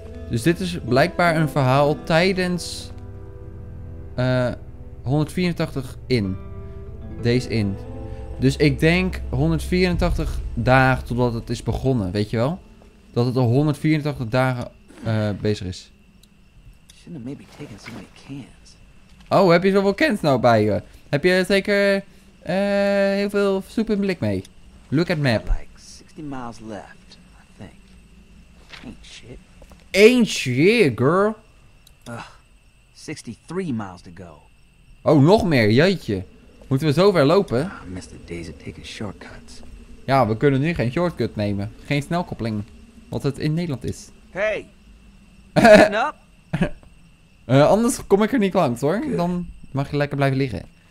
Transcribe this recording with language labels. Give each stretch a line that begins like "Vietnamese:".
Dutch: Dus dit is blijkbaar een verhaal tijdens 184 in.
English: Days in.
Dutch: Dus ik denk 184 dagen totdat het is begonnen. Weet je wel? Dat het al 184 dagen bezig is.
English: Shouldn't have maybe taken so many cans.
Dutch: Oh, heb je zoveel cans nou bij je? Heb je zeker heel veel soep in blik mee?
English: Look at map. Like 60 miles left, I think. Ain't shit, girl. 63 miles to go.
Dutch: Oh, nog meer, jeetje. Moeten we zover lopen?
English: I miss the days of taking shortcuts.
Dutch: Ja, we kunnen nu geen shortcut nemen. Geen snelkoppeling. Wat het in Nederland is. Hey! anders kom ik er niet langs hoor. Good. Dan mag je lekker blijven liggen.